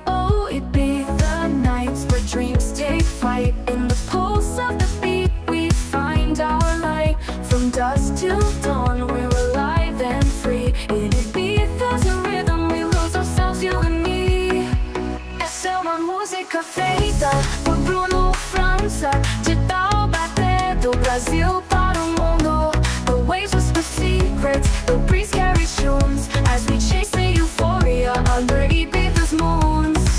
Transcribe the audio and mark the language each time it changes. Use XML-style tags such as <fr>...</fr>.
<en>Oh, Ibiza nights where dreams take flight. In the pulse of the beat, we find our light. From dusk till dawn, we're alive and free. In Ibiza's rhythm, we lose ourselves, you and me.</en> <pt>Essa é uma música feita por Bruno França, de Taubaté, do Brasil para o mundo.</pt> <en>The waves whisper secrets, the breeze carries tunes, as we chase the euphoria under Ibiza's moons.</en>